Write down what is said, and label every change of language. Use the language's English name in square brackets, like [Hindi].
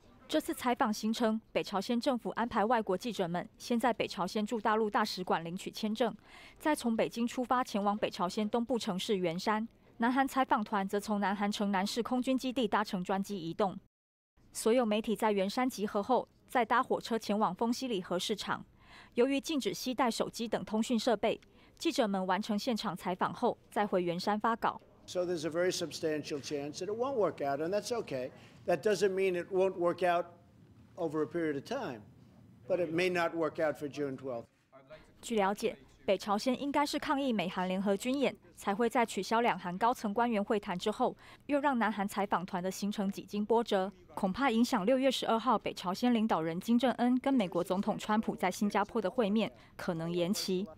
[Chinese] 这次采访行程，北朝鲜政府安排外国记者们先在北朝鲜驻大陆大使馆领取签证，再从北京出发前往北朝鲜东部城市元山，南韩采访团则从南韩城南市空军基地搭乘专机移动。所有媒体在元山集合后再搭火车前往丰西里核市场，由于禁止携带手机等通讯设备，记者们完成现场采访后再回元山发稿。 [English] So there's a very substantial chance that it won't work out, and that's okay. That doesn't mean it won't work out over a period of time, but it may not work out for June 12th. [Chinese] 据了解，北朝鲜应该是抗议美韩联合军演，才会在取消两韩高层官员会谈之后，又让南韩采访团的行程几经波折，恐怕影响6月12号北朝鲜领导人金正恩跟美国总统川普在新加坡的会面，可能延期。